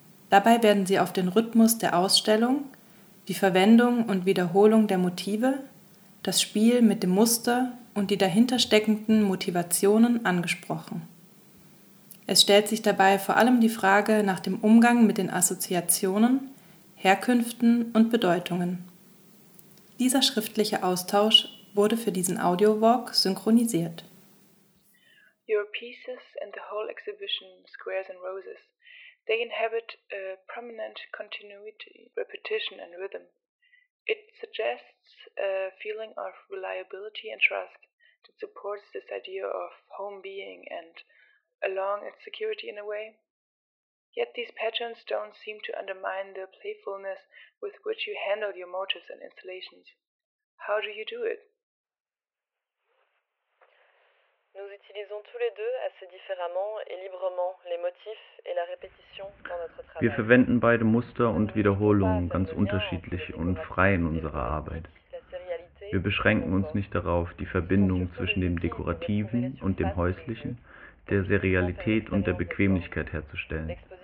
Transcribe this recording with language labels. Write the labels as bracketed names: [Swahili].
[German] Dabei werden sie auf den Rhythmus der Ausstellung, die Verwendung und Wiederholung der Motive, das Spiel mit dem Muster und die dahinter steckenden Motivationen angesprochen. Es stellt sich dabei vor allem die Frage nach dem Umgang mit den Assoziationen, Herkünften und Bedeutungen. Dieser schriftliche Austausch wurde für diesen Audio-Walk synchronisiert. [English] Your pieces and the whole exhibition Squares and Roses, they inhabit a prominent continuity, repetition and rhythm. It suggests a feeling of reliability and trust that supports this idea of home being and along its security in a way. Yet these patterns don't seem to undermine the playfulness with which you handle your motifs and installations. How do you do it? [French] Nous utilisons tous les deux assez différemment et librement les motifs et la répétition dans notre travail. [German] Wir verwenden beide Muster und Wiederholungen ganz unterschiedlich und frei in unserer Arbeit. Wir beschränken uns nicht darauf, die Verbindung zwischen dem Dekorativen und dem Häuslichen, der Serialität und der Bequemlichkeit herzustellen.